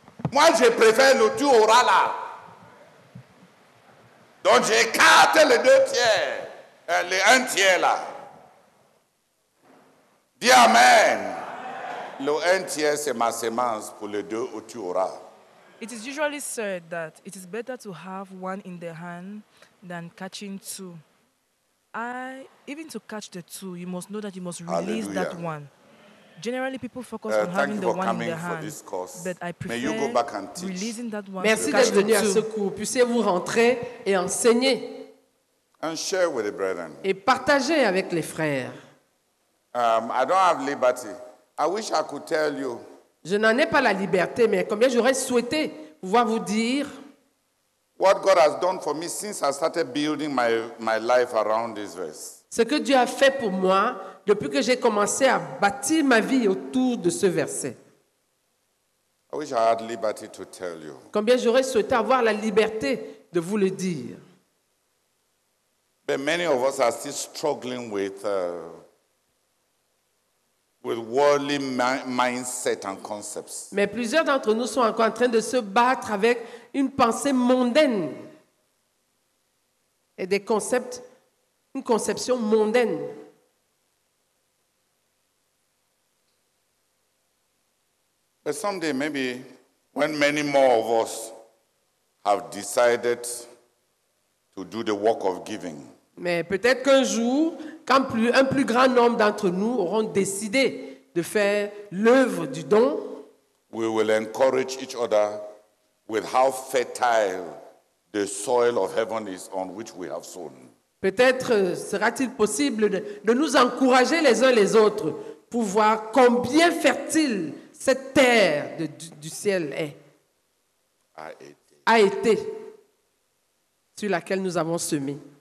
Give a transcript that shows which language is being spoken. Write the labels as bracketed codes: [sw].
[fr] Moi, je préfère le tu auras là. Donc, j'écarte les deux tiers, les un tiers là. Dis amen. Le un tiers c'est ma semence pour les deux où tu auras. [en] It is usually said that it is better to have one in the hand than catching two. Even to catch the two, you must know that you must release Hallelujah. That one. Generally, people focus on having the one in the hand, but I prefer May you go back and teach. Releasing that one. [fr] Merci d'être venu à ce cours. Puissiez-vous rentrer et enseigner. [en] And share with the brethren. [fr] Et partager avec les frères. [en] I don't have liberty. I wish I could tell you. [fr] Je n'en ai pas la liberté, mais combien j'aurais souhaité pouvoir vous dire. [en] What God has done for me since I started building my life around this verse. [fr] Ce que Dieu a fait pour moi depuis que j'ai commencé à bâtir ma vie autour de ce verset. [en] I wish I had liberty to tell you. [fr] Combien j'aurais souhaité avoir la liberté de vous le dire. [en] But many of us are still struggling with worldly mindset and concepts. [fr] Mais plusieurs d'entre nous sont encore en train de se battre avec une pensée mondaine et des concepts, une conception mondaine. [en] But someday, maybe, when many more of us have decided to do the work of giving, [fr] Mais peut-être qu'un jour, quand un plus grand nombre d'entre nous auront décidé de faire l'œuvre du don, [en] we will encourage each other with how fertile the soil of heaven is on which we have sown. [fr] Peut-être sera-t-il possible de nous encourager les uns les autres pour voir combien fertile cette terre du ciel est. A été sur laquelle nous avons semé.